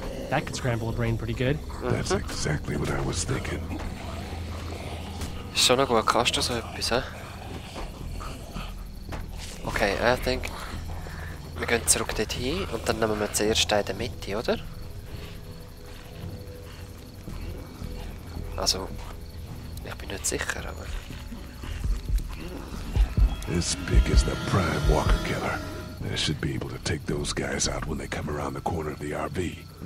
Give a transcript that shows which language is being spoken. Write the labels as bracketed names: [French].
[English] That could scramble a brain pretty good. That's exactly what I was thinking. [German] Ist schon noch gut, kannst du so etwas, hä? [English] Okay, I think [German] wir gehen zurück dorthin und dann nehmen wir zuerst den in der Mitte, oder? Also. Ich bin nicht sicher, aber. [English] This pig is the prime walker killer. I should be able to take those guys out when they come around the corner of the RV.